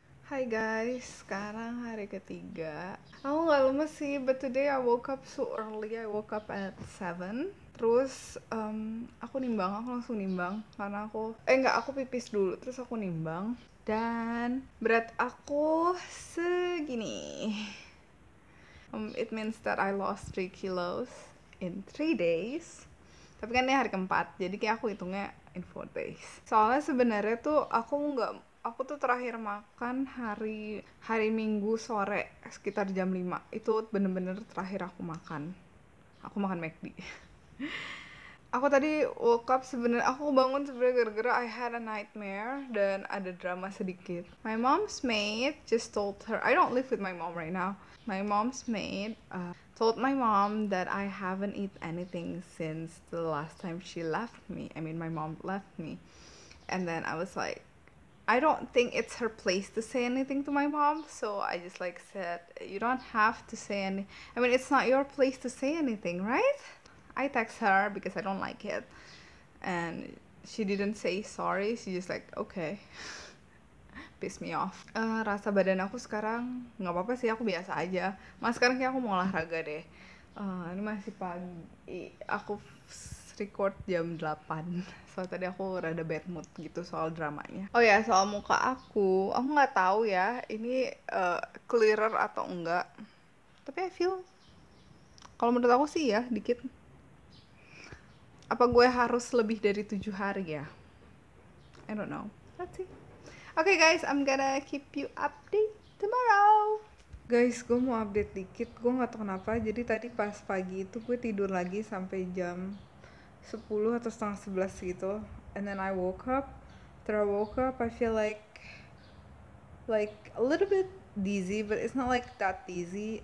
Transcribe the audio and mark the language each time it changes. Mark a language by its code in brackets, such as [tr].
[en] Hi guys, [id] sekarang hari ketiga. Aku gak lemes sih, [en] but today I woke up so early. I woke up at 7. [id] Terus aku langsung nimbang karena aku pipis dulu terus aku nimbang dan berat aku segini. [en] It means that I lost 3 kilos in 3 days. [id] Tapi kan ini hari keempat, jadi kayak aku hitungnya [en] in 4 days. [id] Soalnya sebenarnya tuh aku tuh terakhir makan hari Minggu sore sekitar jam 5. Itu bener-bener terakhir aku makan. Aku makan McD. Aku tadi woke up sebenarnya aku bangun sebenarnya gara-gara [en] I had a nightmare [id] dan ada drama sedikit. [en] My mom's maid just told her, I don't live with my mom right now. My mom's maid told my mom that I haven't eaten anything since the last time she left me. I mean, my mom left me. And then I was like, I don't think it's her place to say anything to my mom. So I just like said, you don't have to say any. I mean, it's not your place to say anything, right? I text her because I don't like it, and she didn't say sorry. She just like okay, piss me off. [id] Rasa badan aku sekarang nggak apa-apa sih, aku biasa aja. Mas, sekarang kayak aku mau olahraga deh. Ini masih pagi. Aku record jam 8. Soal tadi aku rada bad mood gitu soal dramanya. Oh ya, soal muka aku nggak tahu ya. Ini clearer atau enggak? Tapi [en] I feel, [id] kalau menurut aku sih ya, dikit. Apa gue harus lebih dari 7 hari ya? [en] I don't know. Let's see. Okay guys, I'm gonna keep you update tomorrow. [id] Guys, gue mau update dikit. Gue gak tau kenapa. Jadi tadi pas pagi itu gue tidur lagi sampai jam 10 atau setengah 11 gitu. [en] And then I woke up. After I woke up, I feel like a little bit dizzy, but it's not like that dizzy.